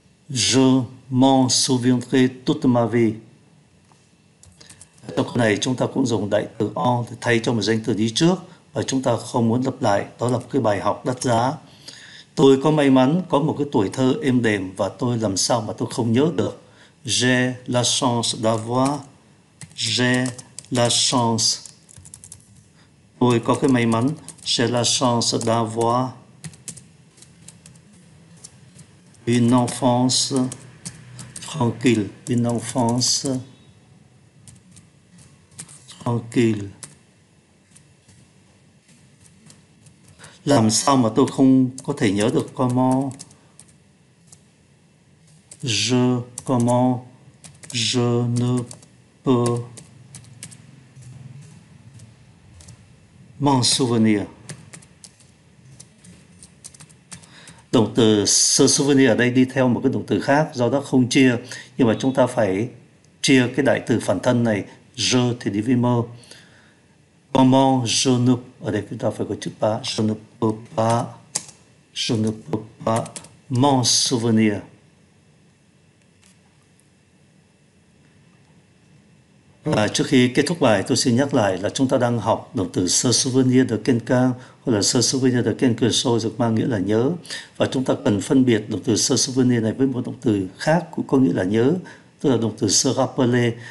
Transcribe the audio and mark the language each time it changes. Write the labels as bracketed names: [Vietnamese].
[French] Je m'en souviendrai toute ma vie. [Vietnamese] Trong câu này chúng ta cũng dùng đại từ en để thay cho một danh từ đi trước và chúng ta không muốn lặp lại. Đó là một cái bài học đắt giá. Tôi có may mắn có một cái tuổi thơ êm đềm và tôi làm sao mà tôi không nhớ được. [French] J'ai la chance d'avoir. J'ai la chance. [Vietnamese] Tôi có cái may mắn. [French] J'ai la chance d'avoir une enfance tranquille. Une enfance tranquille. [Vietnamese] Làm sao mà tôi không có thể nhớ được comment. [French] Je, comment, je ne peux m'en souvenir. [Vietnamese] Động từ se souvenir ở đây đi theo một cái động từ khác, do đó không chia. Nhưng mà chúng ta phải chia cái đại từ phản thân này. Je thì đi với mơ. [French] Comment je ne... [Vietnamese] Ở đây chúng ta phải có chữ pas. [French] Je ne peux pas. Je ne peux pas m'en souvenir. [Vietnamese] Và trước khi kết thúc bài, tôi xin nhắc lại là chúng ta đang học động từ [French] se souvenir de quelqu'un [Vietnamese] hoặc là [French] se souvenir de quelque chose, [Vietnamese] được mang nghĩa là nhớ. Và chúng ta cần phân biệt động từ se souvenir này với một động từ khác cũng có nghĩa là nhớ, tức là động từ se rappeler.